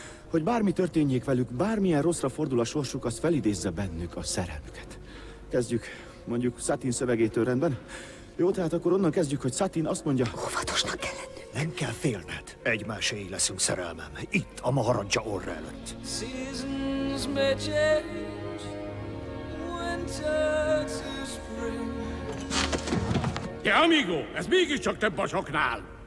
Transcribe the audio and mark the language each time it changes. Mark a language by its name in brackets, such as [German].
[Hungarian] Hogy bármi történjék velük, bármilyen rosszra fordul a sorsuk, az felidézze bennük a szerelmüket. Kezdjük mondjuk Satin szövegétől, rendben? Jó, tehát akkor onnan kezdjük, hogy Satin azt mondja... Óvatosnak kell lennünk. Nem kell félned. Egymáséi leszünk, szerelmem. Itt, a maharadja orra előtt. [English] Seasons may change, winter to spring. [Hungarian] De amigo, ez mégiscsak több a soknál.